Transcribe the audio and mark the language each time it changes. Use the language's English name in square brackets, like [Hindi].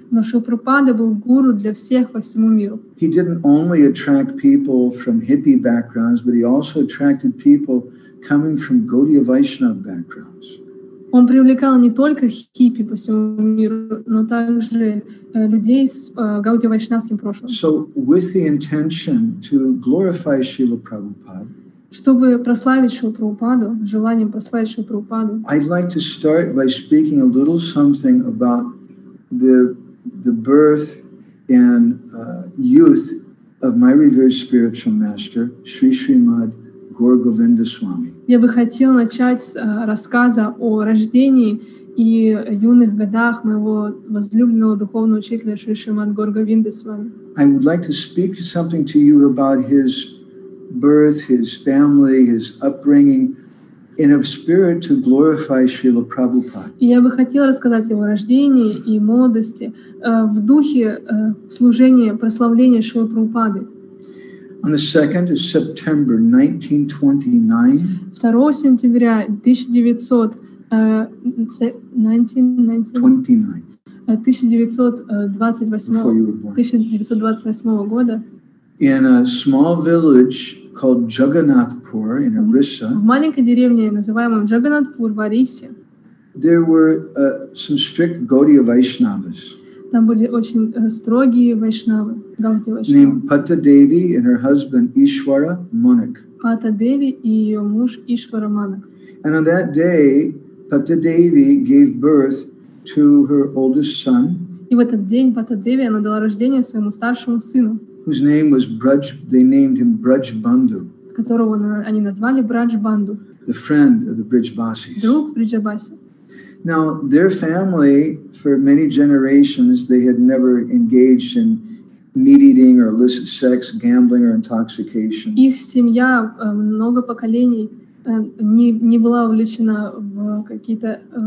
[Russian] Но Шрила Прабхупада был гуру для всех по всему миру. [English] He didn't only attract people from hippie backgrounds, but he also attracted people coming from Gaudiya Vaishnava backgrounds. [Russian] Он привлекал не только хиппи по всему миру, но также людей с Гаудия Вайшнавским прошлым. [English] So with the intention to glorify Srila Prabhupada, [Russian] чтобы прославить Шрилу Прабхупаду, желанием прославить Шрилу Прабхупаду. [English] I'd like to start by speaking a little something about the birth and youth of my revered spiritual master, Sri Srimad Gaur Govinda Swami. [Russian] Я бы хотел начать с рассказа о рождении и юных годах моего возлюбленного духовного учителя Шри Шримад Гаур Говинда Свами. [English] I would like to speak something to you about his birth, his family, his upbringing, in a spirit to glorify Srila Prabhupada. [Russian] Я бы хотела рассказать его рождении и молодости в духе служения, прославления Шрилы Прабхупады. [English] On the 2nd of September 1929. [Russian] 2 сентября 1928 года. [English] In a small village called Jagannathpur in Orissa. [Russian] В маленькой деревне, называемой Джаганнатпур в Орисе. [English] There were some strict Gaudiya Vaishnavas. [Russian] Там были очень строгие вайшнавы, Гаудия Вайшнава. [English] Named Patta Devi and her husband Ishwara Manak. [Russian] Patta Devi и ее муж Ishwara Manak. [English] And on that day, Patta Devi gave birth to her oldest son. [Russian] И в этот день Patta Devi она дала рождение своему старшему сыну. [English] Whose name was Braj, they named him Braj Bandhu. [Russian] Которого они назвали Braj Bandhu. [English] The friend of the Brijbasis. [Russian] Друг Брижабаси. [English] Now, their family, for many generations, they had never engaged in meat-eating or illicit sex, gambling or intoxication. [Russian] Их семья много поколений не была увлечена в какие-то